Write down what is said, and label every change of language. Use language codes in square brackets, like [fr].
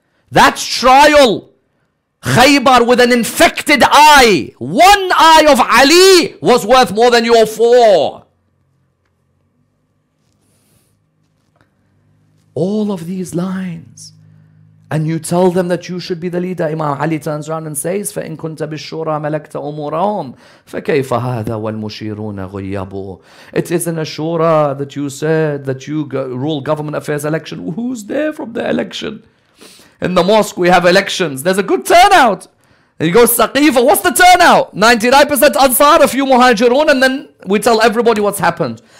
[en] That trial, Khaybar with an infected eye, one eye of Ali was worth more than your four. All of these lines. And you tell them that you should be the leader. Imam Ali turns around and says, [ar] فَإِنْ كُنْتَ بِالشُّورَى مَلَكْتَ أُمُورَهُمْ فَكَيْفَ هَذَا وَالْمُشِيرُونَ غُيَّبُوا. [en] It is in a shura that you said that you rule government affairs election. Who's there from the election? In the mosque, we have elections. There's a good turnout. And you go, Saqifa, what's the turnout? 99% Ansar, a few Muhajirun, and then we tell everybody what's happened.